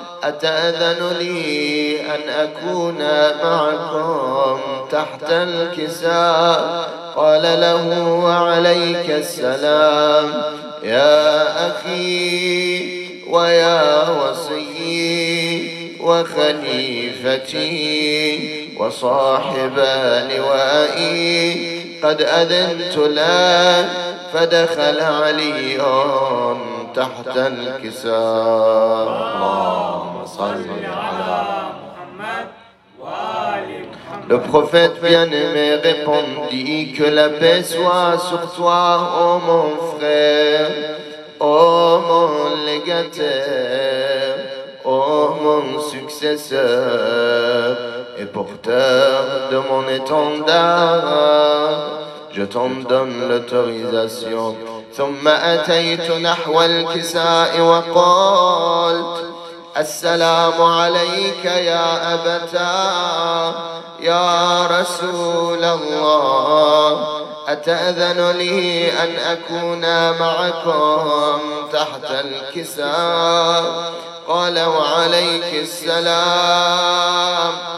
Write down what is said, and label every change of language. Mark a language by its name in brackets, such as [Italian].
[Arabic] أتأذن لي أن أكون معكم تحت الكساء؟ قال له وعليك السلام يا أخي ويا وصيي وخليفتي وصاحب لوائي، قد أذنت لك. فدخل علي تحت الكساء. اللهم صل على محمد وآل محمد. [French] Le prophète vient et me répondit que la paix soit sur toi, ô mon frère, ô mon légataire, ô mon successeur et porteur de mon étendard. Je t'en donne l'autorisation. [Arabic] ثم أتيت نحو الكساء وقلت السلام عليك يا أبتا يا رسول الله، أتأذن لي أن أكون معكم تحت الكساء؟ قال وعليك السلام